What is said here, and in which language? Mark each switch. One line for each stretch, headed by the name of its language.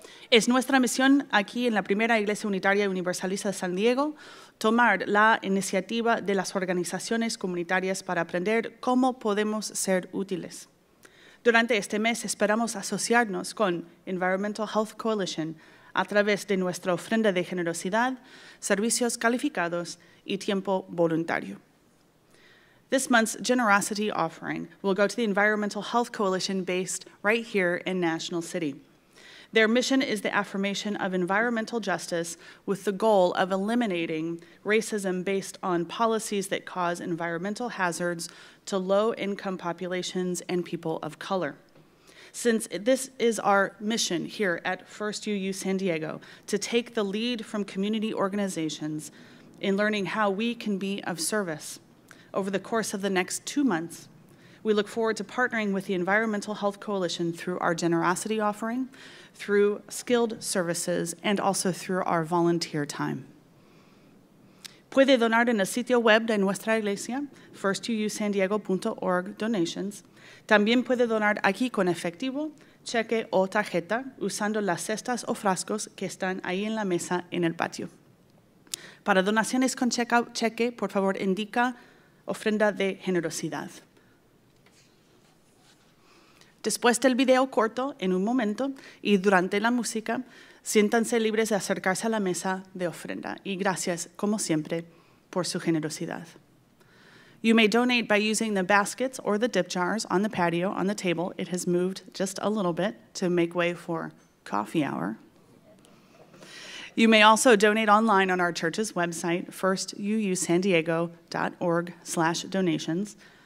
Spanish: Es nuestra misión aquí en la Primera Iglesia Unitaria Universalista de San Diego tomar la iniciativa de las organizaciones comunitarias para aprender cómo podemos ser útiles. Durante este mes esperamos asociarnos con Environmental Health Coalition a través de nuestra ofrenda de generosidad, servicios calificados y tiempo voluntario.
English: This month's generosity offering will go to the Environmental Health Coalition based right here in National City. Their mission is the affirmation of environmental justice with the goal of eliminating racism based on policies that cause environmental hazards to low-income populations and people of color. since this is our mission here at First UU San Diego, to take the lead from community organizations in learning how we can be of service. Over the course of the next 2 months, we look forward to partnering with the Environmental Health Coalition through our generosity offering, through skilled services, and also through our volunteer time.
Spanish: Puede donar en el sitio web de nuestra iglesia, firstuusandiego.org, donations. También puede donar aquí con efectivo, cheque o tarjeta, usando las cestas o frascos que están ahí en la mesa en el patio. Para donaciones con cheque, por favor, indica ofrenda de generosidad. Después del video corto, en un momento, y durante la música, siéntanse libres de acercarse a la mesa de ofrenda. Y gracias, como siempre, por su generosidad.
English: You may donate by using the baskets or the dip jars on the patio, on the table. It has moved just a little bit to make way for coffee hour. You may also donate online on our church's website, firstuusandiego.org/donations.